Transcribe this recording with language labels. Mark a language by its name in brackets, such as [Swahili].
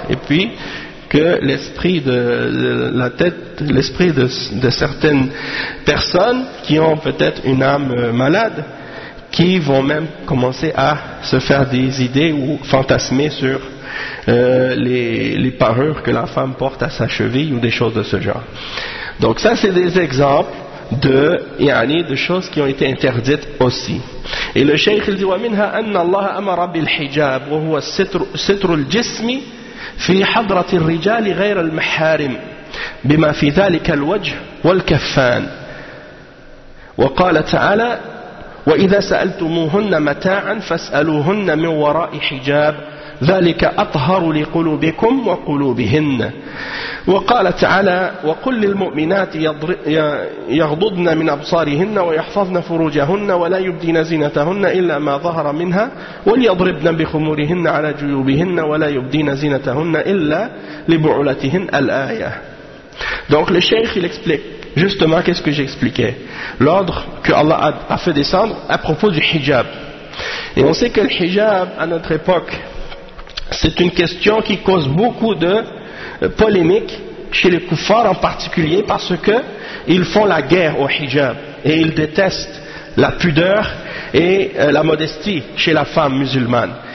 [French] Et puis, que l'esprit de la tête, l'esprit de certaines personnes qui ont peut-être une âme malade, qui vont même commencer à se faire des idées ou fantasmer sur les parures que la femme porte à sa cheville ou des choses de ce genre. Donc ça, c'est des exemples de choses qui ont été interdites aussi. Et le cheikh dit [Arabic] ومنها أن الله أمر بالحجاب وهو ستر الجسم في حضرة الرجال غير المحارم بما في ذلك الوجه والكفان. وقال تعالى وإذا سألتموهن متاعا فاسألوهن من وراء حجاب ذلك أطهر لقلوبكم وقلوبهن. وقال تعالى وقل للمؤمنات يغضضن من أبصارهن ويحفظن فروجهن ولا يبدين زينتهن إلا ما ظهر منها وليضربن بخمورهن على جيوبهن ولا يبدين زينتهن إلا لبعولتهن الآية. [French] Donc le cheikh il explique justement qu'est-ce que j'expliquais, l'ordre que Allah a fait descendre à propos du hijab. Et on sait que le hijab à notre époque, c'est une question qui cause beaucoup de polémiques chez les koufars en particulier, parce que ils font la guerre au hijab et ils détestent la pudeur et la modestie chez la femme musulmane.